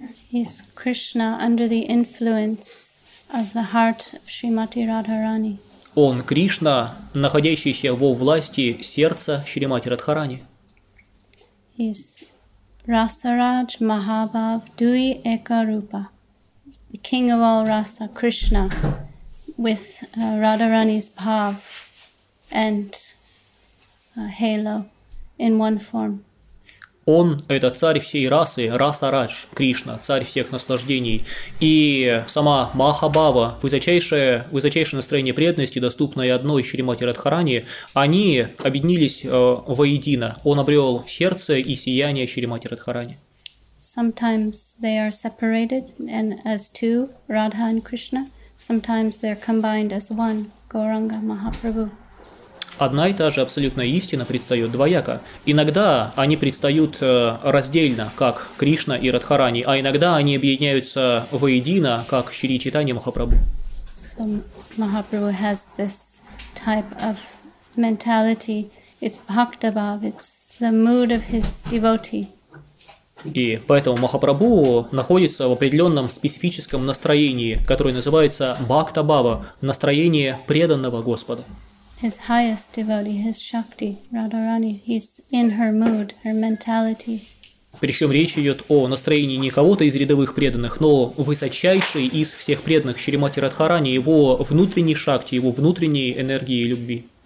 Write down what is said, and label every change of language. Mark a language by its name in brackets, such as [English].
[English] He's Krishna under the influence of the heart of Shrimati Radharani. [Russian] Он Кришна, находящийся во власти сердца Шримати Радхарани. [English] He's Rasaraj Mahabhav Dui Ekarupa, the king of all rasa, Krishna, with Radharani's bhav and halo in one form. [Russian] Он – это царь всей расы, Расарадж, Кришна, царь всех наслаждений. И сама Махабава, высочайшее настроение преданности, доступное одной Шримати Радхарани, они объединились воедино. Он обрел сердце и сияние Шримати Радхарани. [English] Sometimes they are separated and as two, Radha and Krishna. Sometimes they are combined as one, Gauranga Mahaprabhu. [Russian] Одна и та же абсолютная истина предстает двояко. Иногда они предстают раздельно, как Кришна и Радхарани, а иногда они объединяются воедино, как Шри Чайтанья Махапрабху. [English] So, Mahaprabhu has this type of mentality. It's bhaktabhav, it's the mood of his devotee. [Russian] И поэтому Махапрабху находится в определенном специфическом настроении, которое называется бхактабхава, настроение преданного Господа. [English] His highest devotee, his Shakti, Radharani, he's in her mood, her mentality. [Russian] Причем речь идет о настроении не кого-то из рядовых преданных, но высочайшей из всех преданных Шримати Радхарани, его внутренней шакти, его внутренней энергии любви.